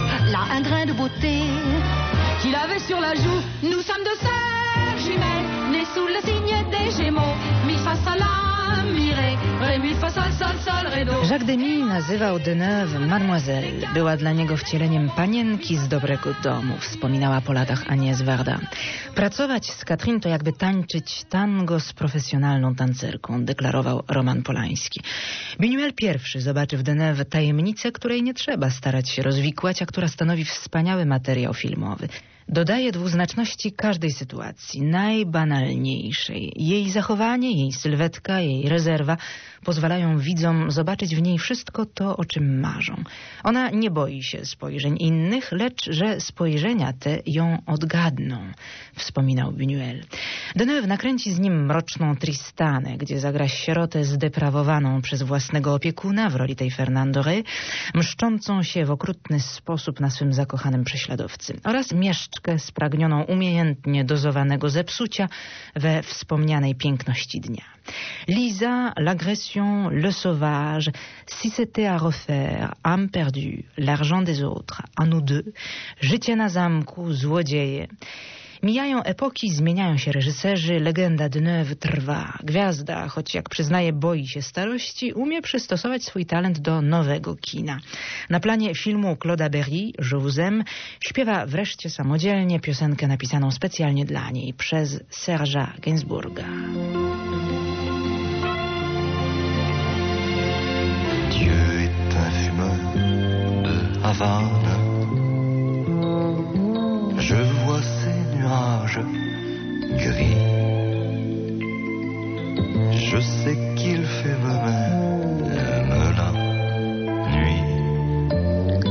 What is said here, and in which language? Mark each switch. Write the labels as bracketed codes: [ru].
[fr] Là, un grain de beauté qu'il avait sur la joue. Nous sommes deux sœurs jumelles, nées sous le signe des Gémeaux. Mi fa sol la mi ré, ré mi fa sol sol sol ré do. [pl] Jacques Demy nazywał Deneuve mademoiselle. Była dla niego wcieleniem panienki z dobrego domu, wspominała po latach Agnès Varda. Pracować z Katrin to jakby tańczyć tango z profesjonalną tancerką, deklarował Roman Polański. Buñuel pierwszy zobaczy w Deneuve tajemnicę, której nie trzeba starać się rozwikłać, a która stanowi wspaniały materiał filmowy. Dodaje dwuznaczności każdej sytuacji, najbanalniejszej. Jej zachowanie, jej sylwetka, jej rezerwa pozwalają widzom zobaczyć w niej wszystko to, o czym marzą. Ona nie boi się spojrzeń innych, lecz że spojrzenia te ją odgadną, wspominał Buñuel. Deneuve nakręci z nim Mroczną Tristanę, gdzie zagra sierotę zdeprawowaną przez własnego opiekuna w roli tej Fernando Rey, mszczącą się w okrutny sposób na swym zakochanym prześladowcy, oraz mieszczkę spragnioną umiejętnie dozowanego zepsucia we wspomnianej piękności dnia. [fr] Lisa, L'agression, Le sauvage, Si c'était à refaire, Âme perdue, L'argent des autres, À nous deux, Życie na zamku, Złodzieje. [pl] Mijają epoki, zmieniają się reżyserzy, legenda Deneuve trwa. Gwiazda, choć jak przyznaje, boi się starości, umie przystosować swój talent do nowego kina. Na planie filmu Claude'a Berry, Je vous aime, śpiewa wreszcie samodzielnie piosenkę napisaną specjalnie dla niej przez Serge'a Gainsbourga. [fr] Dieu est un fumeur de Havane. Je vois ces nuages gris. Je sais qu'il fait même la nuit.